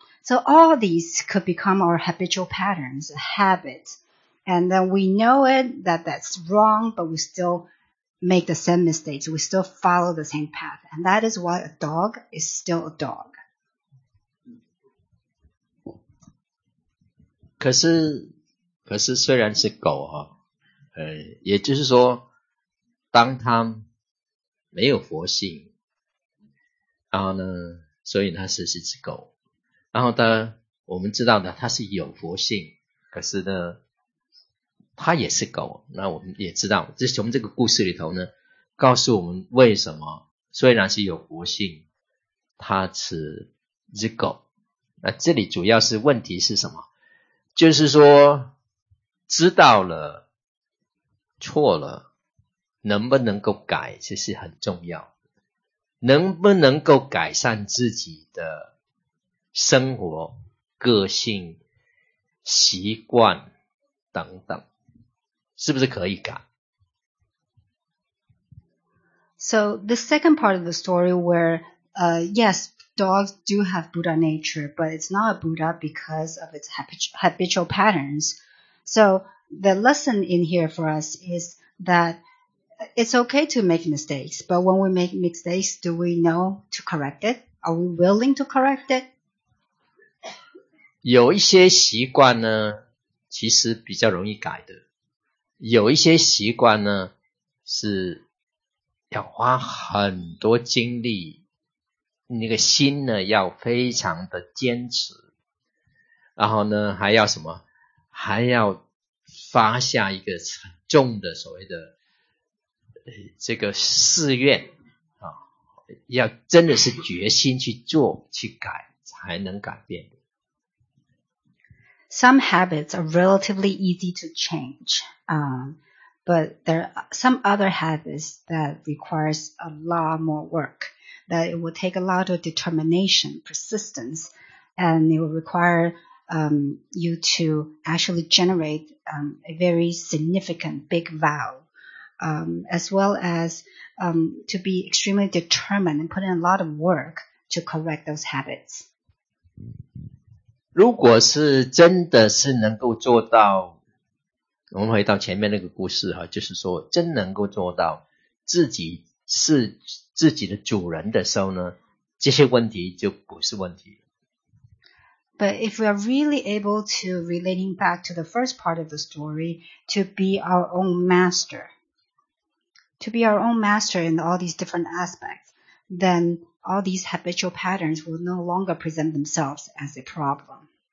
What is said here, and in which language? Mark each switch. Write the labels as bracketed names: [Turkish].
[English] So all these could become our habitual patterns, habits. And then we know it, that that's wrong, but we still make the same mistakes. We still follow the same path. And that is why a dog is still a dog. [Chinese] 可是虽然是狗啊，也就是说当他没有佛性，然后呢，所以他是一只狗。然后呢，我们知道呢，他是有佛性，可是呢，他也是狗。那我们也知道，这从这个故事里头呢，告诉我们为什么虽然是有佛性，他是只狗。那这里主要是问题是什么？就是说，知道了，错了。能不能够改其实很重要，能不能够改善自己的生活、个性、习惯等等，是不是可以改？ [English] So the second part of the story where, yes, dogs do have Buddha nature, but it's not a Buddha because of its habitual patterns. So the lesson in here for us is that it's okay to make mistakes, but when we make mistakes, do we know to correct it? Are we willing to correct it? [Chinese] 有一些习惯呢，其实比较容易改的。有一些习惯呢，是要花很多精力，那个心呢要非常的坚持，然后呢还要什么？还要发下一个很重的所谓的这个誓愿啊，要真的是决心去做去改，才能改变。 [English] Some habits are relatively easy to change, but there are some other habits that requires a lot more work, that it will take a lot of determination, persistence, and it will require you to actually generate a very significant big vow, as well as to be extremely determined and put in a lot of work to correct those habits. [Chinese] 如果是真的是能够做到，我们回到前面那个故事哈，就是说真能够做到自己是自己的主人的时候呢，这些问题就不是问题了。 [English] But if we are really able to relating back to the first part of the story, to be our own master, to be our own master in all these different aspects, then all these habitual patterns will no longer present themselves as a problem.